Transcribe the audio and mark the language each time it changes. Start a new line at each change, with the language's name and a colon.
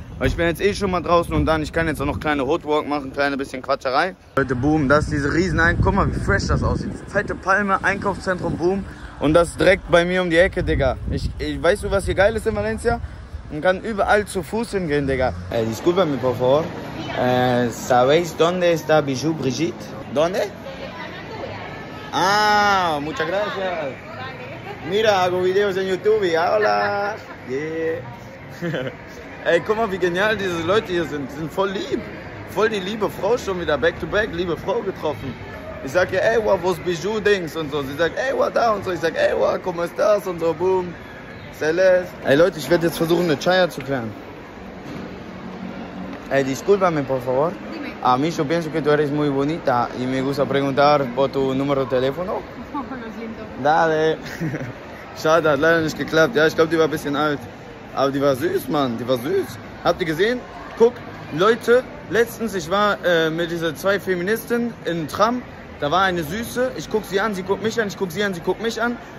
German: Weil ich bin jetzt eh schon mal draußen und dann, ich kann jetzt auch noch kleine Roadwalk machen, kleine bisschen Quatscherei. Leute, boom, das ist diese riesen Einkauf. Guck mal, wie fresh das aussieht. Fette Palme, Einkaufszentrum, boom. Und das direkt bei mir um die Ecke, Digga. Ich weiß, du, was hier geil ist in Valencia? Man kann überall zu Fuß hingehen, Digga.
Spanish: Disculpame, por favor. ¿Sabéis dónde está Bijou Brigitte? ¿Dónde? Ah, muchas gracias. Mira, hago videos en YouTube. Hola. Yeah.
German: Ey, guck mal, wie genial diese Leute hier sind. Die sind voll lieb. Voll die liebe Frau schon wieder. Back to back, liebe Frau getroffen. Ich sag ihr, ey, wa, wo's Bijou-Dings und so. Sie sagt, ey, wa, da und so. Ich sag, ey, wa, komm, ist das und so, boom. Celeste. Ey, Leute, ich werde jetzt versuchen, eine Chaya zu klären.
Spanish: Ey, discúlpame, por favor. Dime. A mí yo pienso que tú eres muy bonita y me gusta preguntar por tu número de teléfono. Dale.
German: Schade, hat leider nicht geklappt. Ja, ich glaube, die war ein bisschen alt. Aber die war süß, Mann, die war süß. Habt ihr gesehen? Guck, Leute, letztens, ich war mit diesen zwei Feministen in Tram. Da war eine Süße, ich guck sie an, sie guckt mich an, ich guck sie an, sie guckt mich an.